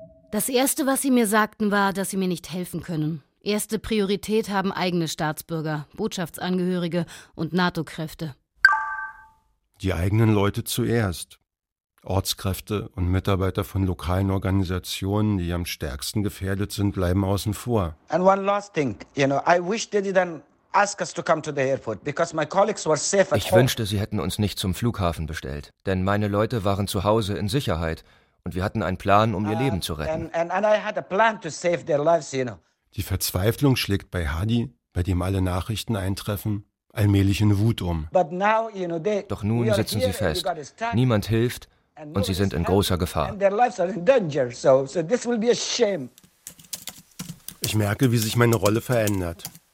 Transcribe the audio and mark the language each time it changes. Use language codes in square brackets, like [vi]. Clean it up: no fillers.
[de] Das Erste, was sie mir sagten, war, dass sie mir nicht helfen können. Erste Priorität haben eigene Staatsbürger, Botschaftsangehörige und NATO-Kräfte. Die eigenen Leute zuerst. Ortskräfte und Mitarbeiter von lokalen Organisationen, die am stärksten gefährdet sind, bleiben außen vor. [en] And one last thing, you know, I wish they didn't ask us to come to the airport because my colleagues were safe at home. [de] Ich wünschte, sie hätten uns nicht zum Flughafen bestellt, denn meine Leute waren zu Hause in Sicherheit und wir hatten einen Plan, um ihr Leben zu retten. [en] And I had a plan to save their lives, you know. [de] Die Verzweiflung schlägt bei Hadi, bei dem alle Nachrichten eintreffen, allmählich in Wut um. [en] But now, you know, they, [de] doch nun sitzen sie fest. Niemand hilft. Und sie sind in großer Gefahr. Ich merke, wie sich meine Rolle verändert.